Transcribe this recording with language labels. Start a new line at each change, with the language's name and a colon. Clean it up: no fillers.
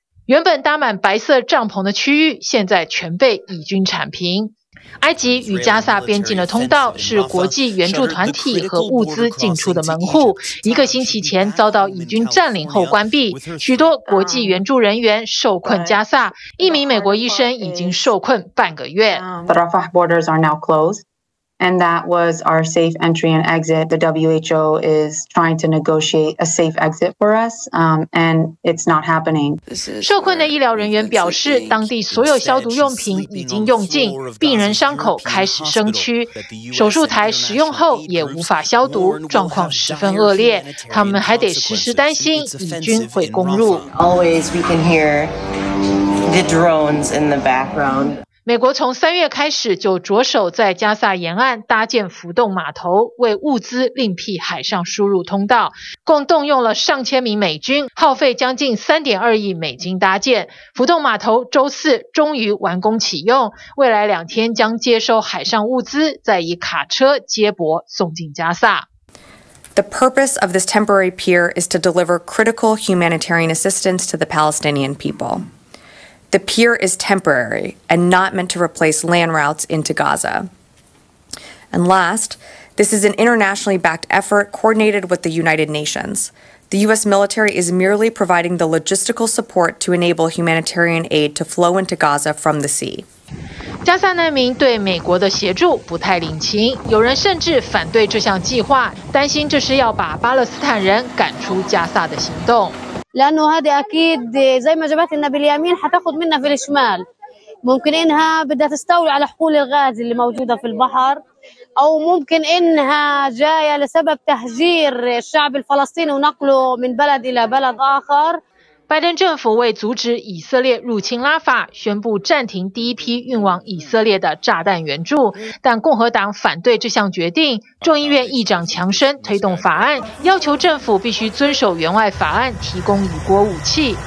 Chinese: 原本搭满白色帐篷的区域，现在全被以军铲平。埃及与加萨边境的通道是国际援助团体和物资进出的门户，一个星期前遭到以军占领后关闭，许多国际援助人员受困加萨，一名美国医生已经受困半个月。
English: The Rafah borders are now closed, and that was our safe entry and exit. The WHO is trying to negotiate a safe exit for us, and it's not happening.
Chinese: 受困的医疗人员表示，当地所有消毒用品已经用尽，病人伤口开始生蛆，手术台使用后也无法消毒，状况十分恶劣。他们还得时时担心以军会攻入。
English: Always we can hear the drones in the background.
Chinese: 美国从三月开始就着手在加萨沿岸搭建浮动码头，为物资另辟海上输入通道，共动用了上千名美军，耗费将近$3.2亿搭建。浮动码头周四终于完工启用，未来两天将接收海上物资，再以卡车接驳送进加萨。
English: The purpose of this temporary pier is to deliver critical humanitarian assistance to the Palestinian people. The pier is temporary and not meant to replace land routes into Gaza. And last, this is an internationally backed effort coordinated with the United Nations. The U.S. military is merely providing the logistical support to enable humanitarian aid to flow into Gaza from the sea.
Chinese: 加萨难民对美国的协助不太领情，有人甚至反对这项计划，担心这是要把巴勒斯坦人赶出加萨的行动。
Arabic: لأنه هذا أكيد زي ما جابتنا باليمين حتاخذ منا في الشمال ممكن إنها بدها تستولي على حقول الغاز اللي موجودة في البحر أو ممكن إنها جاية لسبب تهجير الشعب الفلسطيني ونقله من بلد إلى بلد آخر.
Chinese: 拜登政府为阻止以色列入侵拉法，宣布暂停第一批运往以色列的炸弹援助，但共和党反对这项决定。众议院议长强生推动法案，要求政府必须遵守援外法案，提供以国武器。